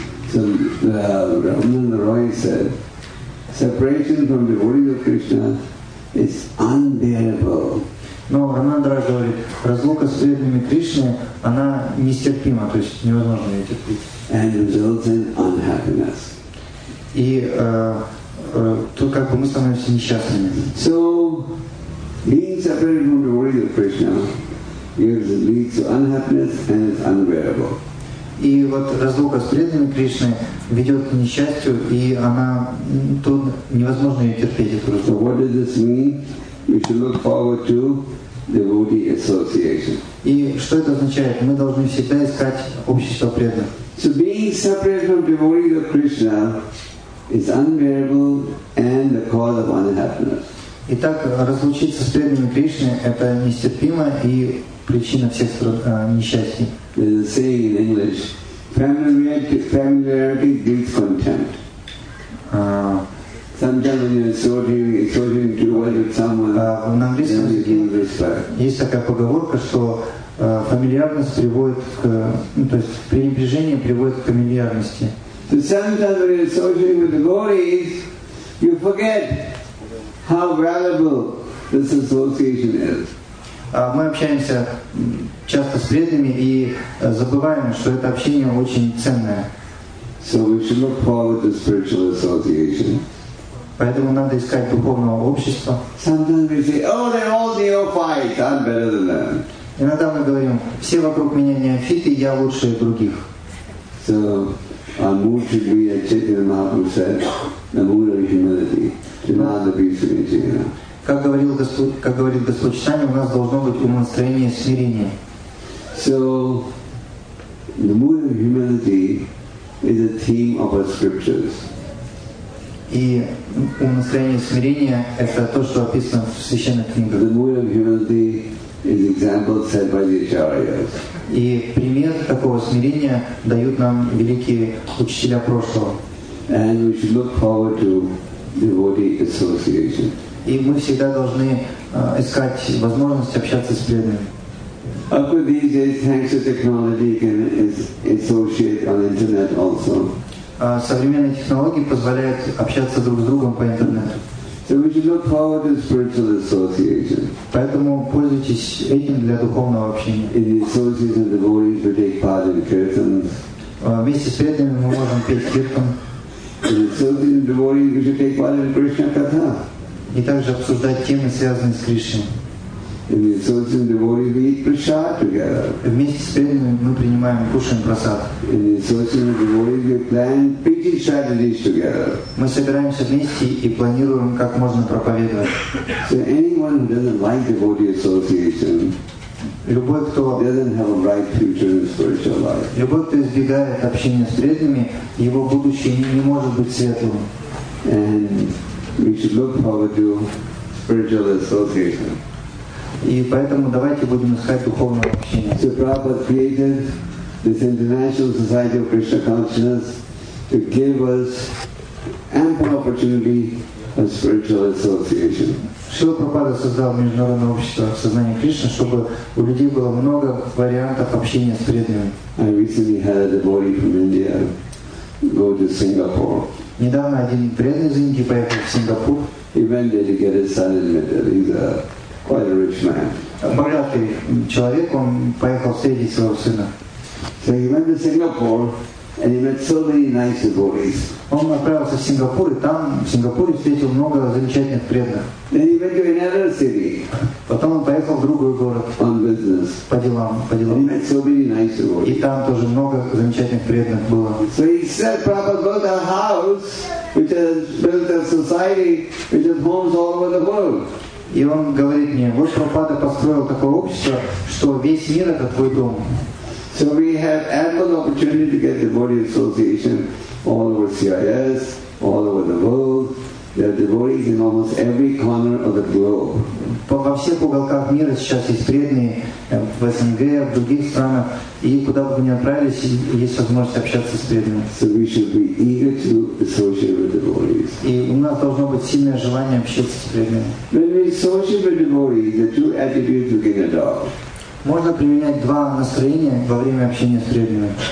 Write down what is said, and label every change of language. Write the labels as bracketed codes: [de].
[en] So Ramananda Roy said, separation from the devotees of Krishna is unbearable. [ru] Но Рамананда Рой говорит, разлука с преданными Кришны, она нестерпима, то есть невозможно ее терпеть. [en] And results in unhappiness. [ru] И тут как бы мы становимся несчастными. [en] So being separated from the devotees of Krishna leads to unhappiness and is unbearable. [ru] И вот разлука с преданными Кришны ведет к несчастью, и она тут невозможно ее терпеть. [en] So what does this mean? We should look forward to devotee association. [ru] И что это означает? Мы должны всегда искать общество преданных. [en] So being separated from devotees of Krishna is unbearable and the cause of unhappiness. [ru] Итак, разлучиться с преданными Кришны это нестерпимо и причина всех несчастий. [en] There's a saying in English, familiarity breeds contempt. Sometimes when you're associating too well with someone, then you gain respect. [ru] Есть такая поговорка, что фамильярность приводит к, ну, то есть пренебрежение приводит к фамильярности. [en] So sometimes when you're associating with devotees, you forget how valuable this association is. [ru] Мы общаемся часто с преданными и забываем, что это общение очень ценное. [en] So we should look forward to spiritual association. [ru] Поэтому надо искать духовного общества. [en] Sometimes we say, oh, they're all neophytes, I'm better than them. [ru] Иногда мы говорим, все вокруг меня неофиты, я лучше других. [en] So our mood should be, as Chaitanya Mahaprabhu said, the mood of humility, to not be submitted. [ru] Как говорил Господь, как говорит Господь Читание, у нас должно быть умонастроение смирения. [en] So the mood of humility is a theme of our scriptures. [ru] И умонастроение смирения это то, что описано в священных книгах. [en] The mood of humility is example set by the acharyas. [ru] И пример такого смирения дают нам великие учителя прошлого. [en] And we should look forward to devotee association. [ru] И мы всегда должны искать возможность общаться с преданными. [en] Of course, these days, thanks to technology, you can associate on internet also. [ru] Современные технологии позволяют общаться друг с другом по интернету. [en] So we should look forward to spiritual association. [ru] Поэтому пользуйтесь этим для духовного общения. [en] In the association of devotees, we take part in kirtans. [ru] Вместе с преданными мы можем петь киртан. [en] In the association of devotees, we should take part in Krishna katha. [ru] И также обсуждать темы, связанные с Кришной. [en] In the association we eat prasad together. [ru] Вместе с преданными мы принимаем, кушаем просад. [en] In the association we plan preaching strategies together. [ru] Мы собираемся вместе и планируем, как можно проповедовать. [en] So anyone who doesn't like devotee association, [ru] любой, кто [en] doesn't have a bright future in spiritual life. [ru] Любой, кто избегает общения с преданными, его будущее не может быть светлым. [en] And we should look forward to spiritual association. [ru] И поэтому давайте будем искать духовное общение. [en] So Prabhupada created this International Society of Krishna Consciousness to give us ample opportunity for spiritual association. [ru] Шрила Прабхупада создал Международное общество сознания Кришны, чтобы у людей было много вариантов общения с преданными. [en] I recently had a devotee from India go to Singapore. [ru] Недавно один брат из Индии поехал в Сингапур. [en] He went there to get his son admitted. He's a quite a rich man. [ru] Богатый человек, он поехал встретить своего сына. [en] So he went to Singapore and he met so many nice devotees. [ru] Он отправился в Сингапур, и там, в Сингапуре, встретил много замечательных преданных. [en] Then he went to another city. [ru] Потом он поехал в другой город. [en] On business. [ru] По делам. [en] He met so many nice devotees. [ru] И там тоже много замечательных преданных было. [en] So he said, Prabhupada built a house, which has built a society, which has homes all over the world. [ru] И он говорит мне, вот Прабхупада построил такое общество, что весь мир — это твой дом. [en] So we have ample opportunity to get devotee association all over CIS, all over the world. There are devotees in almost every corner of the globe. [ru] Во всех уголках мира сейчас есть преданные, в СНГ, в других странах. И куда бы вы ни отправились, есть возможность общаться с преданными. [en] So we should be eager to associate with devotees. [ru] И у нас должно быть сильное желание общаться с преданными. [en] When we associate with devotees, the two attributes we can adopt. [ru] Можно применять два настроения во время общения с преданными.